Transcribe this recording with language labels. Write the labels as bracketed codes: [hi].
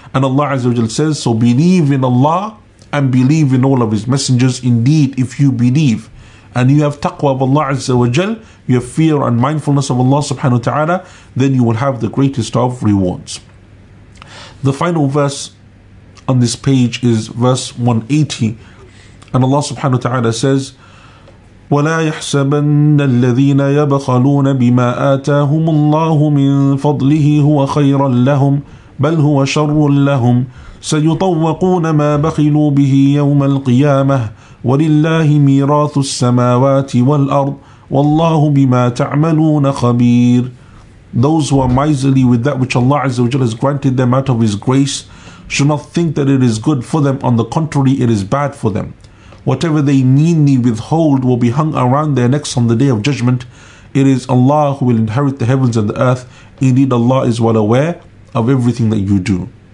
[en] And Allah Azza wa Jalla says, so believe in Allah and believe in all of His messengers. Indeed, if you believe and you have taqwa of Allah Azza wa Jalla, you have fear and mindfulness of Allah subhanahu wa ta'ala, then you will have the greatest of rewards. The final verse on this page is verse 180. And Allah subhanahu wa ta'ala says, [ar] وَلَا يَحْسَبَنَّ الَّذِينَ يَبْخَلُونَ بِمَا آتَاهُمُ اللَّهُ مِنْ فَضْلِهِ هُوَ خَيْرًا لَهُمْ بل هو شر لهم، سيطوقون ما بخلوا به يوم القيامة، ولله ميراث السماوات والأرض، والله بما تعملون خبير. [en] Those who are miserly with that which Allah Azza wa Jalla has granted them out of His grace should not think that it is good for them. On the contrary, it is bad for them. Whatever they meanly withhold will be hung around their necks on the Day of Judgment. It is Allah who will inherit the heavens and the earth. Indeed, Allah is well aware of everything that you do.